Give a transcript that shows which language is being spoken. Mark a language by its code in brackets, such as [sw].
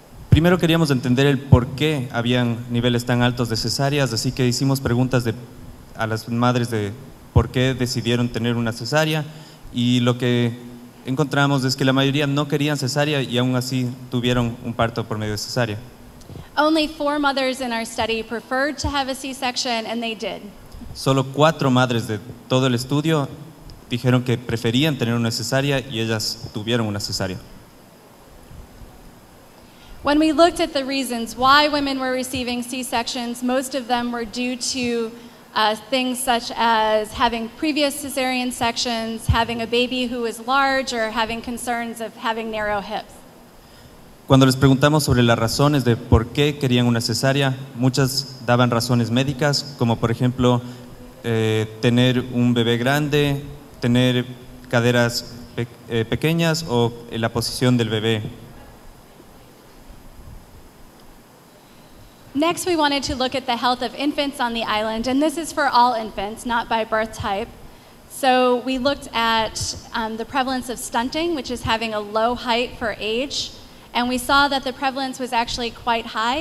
[es] Primero queríamos entender el por qué habían niveles tan altos de cesáreas, así que hicimos preguntas a las madres de por qué decidieron tener una cesárea, y lo que encontramos es que la mayoría no querían cesárea y aún así tuvieron un parto por medio de cesárea. [en] Only 4 mothers in our study preferred to have a C-section, and they did. [es] Solo 4 madres de todo el estudio dijeron que preferían tener una cesárea y ellas tuvieron una cesárea. [en] When we looked at the reasons why women were receiving C-sections, most of them were due to things such as having previous cesarean sections, having a baby who was large, or having concerns of having narrow hips. [es] Cuando les preguntamos sobre las razones de por qué querían una cesárea, muchas daban razones médicas, como por ejemplo tener un bebé grande, tener caderas pequeñas o la posición del bebé. [en] Next, we wanted to look at the health of infants on the island, and this is for all infants, not by birth type. So we looked at the prevalence of stunting, which is having a low height for age. And we saw that the prevalence was actually quite high.